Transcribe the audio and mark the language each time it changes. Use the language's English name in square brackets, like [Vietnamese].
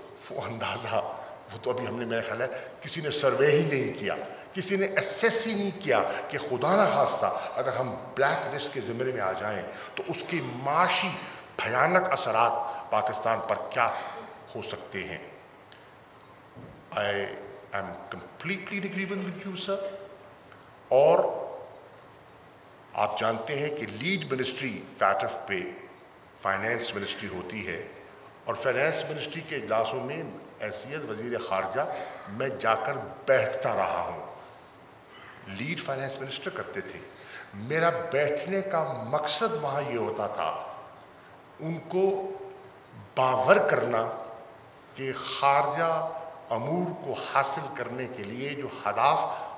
[Urdu] وہ اندازہ وہ تو ابھی ہم نے, میرا خیال ہے کسی نے سروے ہی نہیں کیا, کسی نے اسیس ہی نہیں کیا کہ خدا نخواستہ اگر ہم بلیک لسٹ کے ذمرے میں آ جائیں تو اس کے معاشی بھیانک اثرات پاکستان پر کیا ہو سکتے ہیں. [English] I am completely agreeing with you, sir. [Urdu] اور آپ جانتے ہیں کہ لیڈ منسٹری FATF پہ فائنینس منسٹری ہوتی ہے, اور فائنینس منسٹری کے اجلاسوں میں حیثیت وزیر خارجہ میں جا کر بیٹھتا رہا ہوں. لیڈ فائنینس منسٹر کرتے تھے, میرا بیٹھنے کا مقصد وہاں یہ ہوتا تھا ان کو باور کرنا کہ خارجہ امور کو حاصل کرنے کے لیے جو ہدف